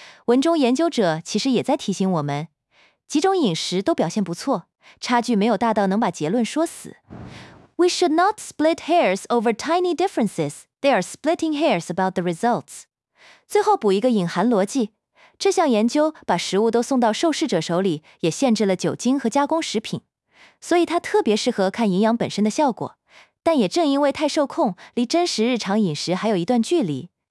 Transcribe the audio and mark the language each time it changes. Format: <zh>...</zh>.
<zh>文中研究者其实也在提醒我们，几种饮食都表现不错，差距没有大到能把结论说死。</zh> <en>We should not split hairs over tiny differences. They are splitting hairs about the results.</en> <zh>最后补一个隐含逻辑，这项研究把食物都送到受试者手里，也限制了酒精和加工食品，所以它特别适合看营养本身的效果，但也正因为太受控，离真实日常饮食还有一段距离。</zh>